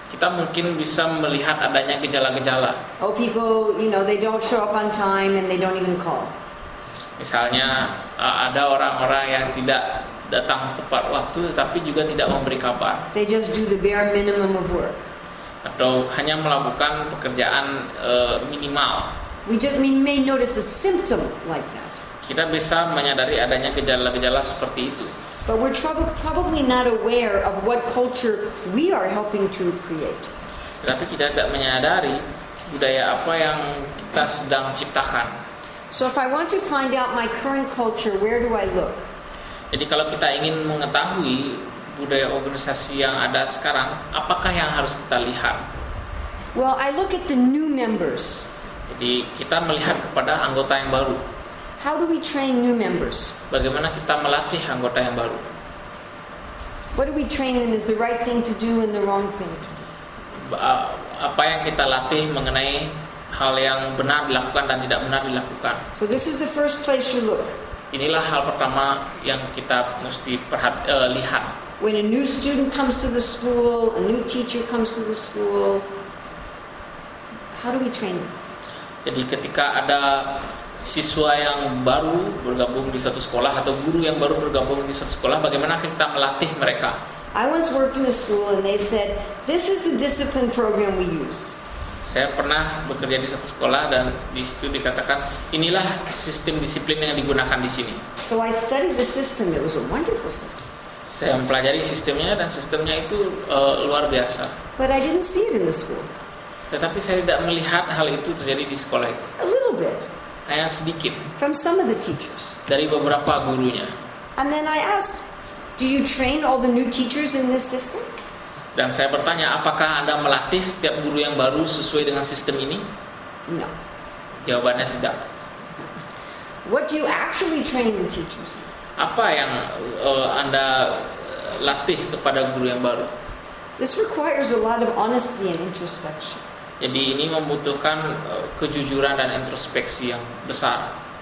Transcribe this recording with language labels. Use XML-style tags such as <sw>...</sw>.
<id>Kita mungkin bisa melihat adanya gejala-gejala.</id> <en>Oh, people, you know, they don't show up on time and they don't even call.</en> <id>Misalnya ada orang-orang yang tidak datang tepat waktu tetapi juga tidak memberi kabar.</id> <en>They just do the bare minimum of work.</en> <id>Atau hanya melakukan pekerjaan minimal.</id> <en>We just may notice a symptom like that.</en> <id>Kita bisa menyadari adanya gejala-gejala seperti itu.</id> <en>But we're probably not aware of what culture we are helping to create.</en> <id>Tetapi kita tidak menyadari budaya apa yang kita sedang ciptakan.</id> <en>So if I want to find out my current culture, where do I look?</en> <id>Jadi kalau kita ingin mengetahui budaya organisasi yang ada sekarang, apakah yang harus kita lihat?</id> <en>Well, I look at the new members.</en> <id>Jadi kita melihat kepada anggota yang baru.</id> <en>How do we train new members?</en> <id>Bagaimana kita melatih anggota yang baru?</id> <en>What do we train them is the right thing to do and the wrong thing to do?</en> <id>Apa yang kita latih mengenai hal yang benar dilakukan dan tidak benar dilakukan?</id> <en>So this is the first place you look.</en> <id>Inilah hal pertama yang kita mesti lihat.</id> <en>When a new student comes to the school, a new teacher comes to the school, how do we train them?</en> <id>Jadi ketika ada siswa yang baru bergabung di suatu sekolah atau guru yang baru bergabung di suatu sekolah, bagaimana kita melatih mereka?</id> <en>I once worked in a school and they said, "This is the discipline program we use."</en> <id>Saya pernah bekerja di suatu sekolah dan di situ dikatakan inilah sistem disiplin yang digunakan di sini.</id> <en>So I studied the system. It was a wonderful system.</en> <id>Saya mempelajari sistemnya dan sistemnya itu luar biasa.</id> <en>But I didn't see it in the school.</en> <id>Tetapi saya tidak melihat hal itu terjadi di sekolah itu.</id> <en>A little bit.</en> <id>Hanya sedikit.</id> <en>From some of the teachers.</en> <id>Dari beberapa gurunya.</id> <en>And then I asked, "Do you train all the new teachers in this system?"</en> <id>Dan saya bertanya, apakah Anda melatih setiap guru yang baru sesuai dengan sistem ini?</id> <en>No.</en> <id>Jawabannya tidak.</id> <en>What do you actually train the teachers?</en> <id>Apa yang Anda latih kepada guru yang baru?</id> <en>This requires a lot of honesty and introspection.</en> <id>Jadi ini membutuhkan kejujuran dan introspeksi yang besar.</id>